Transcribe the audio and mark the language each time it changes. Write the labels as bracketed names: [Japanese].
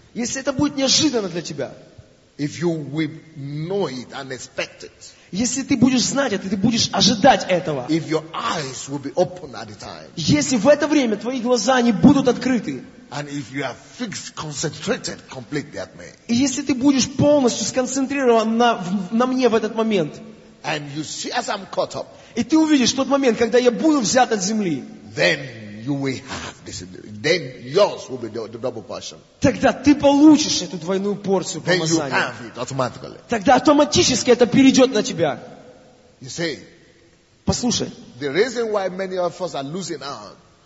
[Russian] Если это будет неожиданно для тебя. [English] If you will know it and expect it. [Russian] Если ты будешь знать это, ты будешь ожидать этого. [English] If your eyes will be open at the time. [Russian] Если в это время твои глаза, они будут открыты. [English] And if you are fixed, concentrated, completely at me. [Russian] И если ты будешь полностью сконцентрирован на мне в этот момент. [English] And you see as I'm caught up. [Russian] И ты увидишь тот момент, когда я буду взят от земли. [English] Then you will have this. Then yours will be the double portion. [Russian] Тогда ты получишь эту двойную порцию помазания. [English] Then you have it automatically. [Russian] Тогда автоматически это перейдет на тебя. [English] You see. [Russian] Послушай. [English] The reason why many of us are losing out.